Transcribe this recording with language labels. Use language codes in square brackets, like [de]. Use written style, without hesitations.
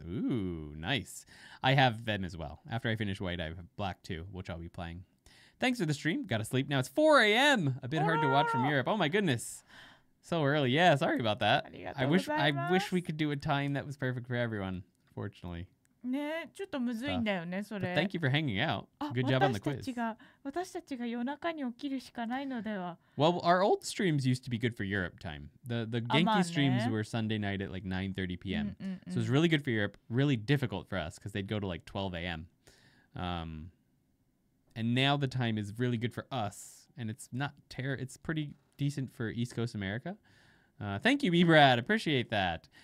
[en] Ooh, nice. I have them as well. After I finish White, I have Black 2, which I'll be playing. Thanks for the stream. Got to sleep now. It's 4 a.m. A bit hard to watch from Europe. Oh, my goodness. So early. Yeah, sorry about that. I wish we could do a time that was perfect for everyone, fortunately. [ja] ね、ちょっと難いんだよね、それ。 [en] But thank you for hanging out. Good job on the quiz. [ja] 私たちが夜中に起きるしかないのでは。 [en] Well, our old streams used to be good for Europe time. The Genki streams were Sunday night at like 9:30 p.m. So it was really good for Europe, really difficult for us because they'd go to like 12 a.m. And now the time is really good for us and it's not terrible. It's pretty decent for East Coast America. Thank you, B-Brad. Appreciate that.